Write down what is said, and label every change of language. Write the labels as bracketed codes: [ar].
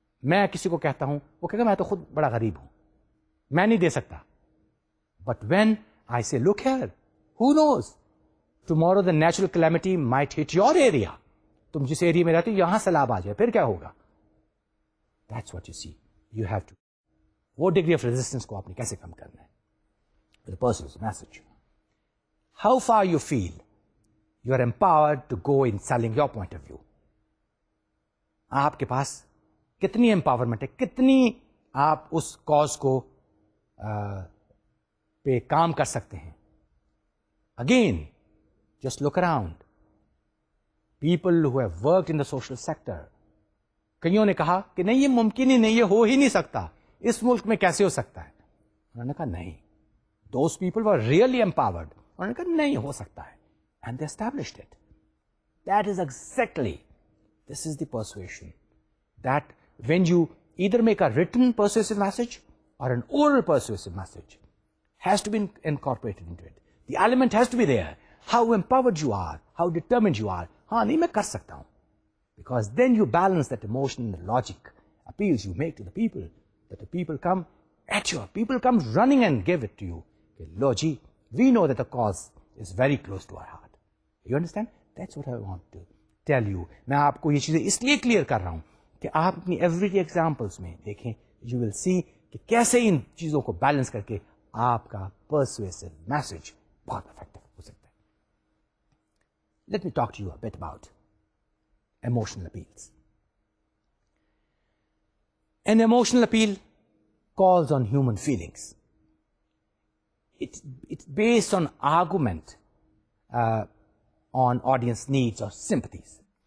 [ur] میں کسی کو کہتا ہوں, وہ کہے گا میں تو خود بڑا غریب ہوں, میں نہیں دے سکتا. [en] But when I say, look here, who knows? Tomorrow the natural calamity might hit your area. [ur] تم جس ایریا میں رہتے ہو یہاں سیلاب آ جائے, پھر کیا ہوگا؟ [en] That's what you see. You have to. [ur] وہ degree of resistance کو آپ نے کیسے کم کرنا ہے؟ [en] The person's message. How far you feel you are empowered to go in selling your point of view. [ur] آپ کے پاس کتنی empowerment ہے, کتنی آپ اس cause کو پہ کام کر سکتے ہیں. [en] Again, just look around. People who have worked in the social sector, [ur] کئیوں نے کہا کہ نہیں یہ ممکن ہی نہیں, یہ ہو ہی نہیں سکتا, اس ملک میں کیسے ہو سکتا ہے؟ انہوں نے کہا نہیں. [en] Those people were really empowered. [ur] انہوں نے کہا نہیں ہو سکتا ہے. [en] And they established it. That is exactly, this is the persuasion. That when you either make a written persuasive message or an oral persuasive message, has to be incorporated into it. The element has to be there. How empowered you are, how determined you are. [ur] ہاں نہیں میں کر سکتا ہوں. [en] Because then you balance that emotion and the logic appeals you make to the people, that the people come at you, people come running and give it to you. [ur] Lo ji, [en] we know that the cause is very close to our heart. You understand? That's what I want to tell you. [ur] میں آپ کو یہ چیزیں اس لیے clear کر رہا ہوں کہ آپ اپنی [en] every day examples [ur] میں دیکھیں, [en] you will see [ur] کہ کیسے ان چیزوں کو بیلنس کر کے آپ کا پرسویسو میسج بہت افیکٹو ہو سکتا ہے. [en] Let me talk to you a bit about emotional appeals. An emotional appeal calls on human feelings. It's based on argument on audience needs or sympathies.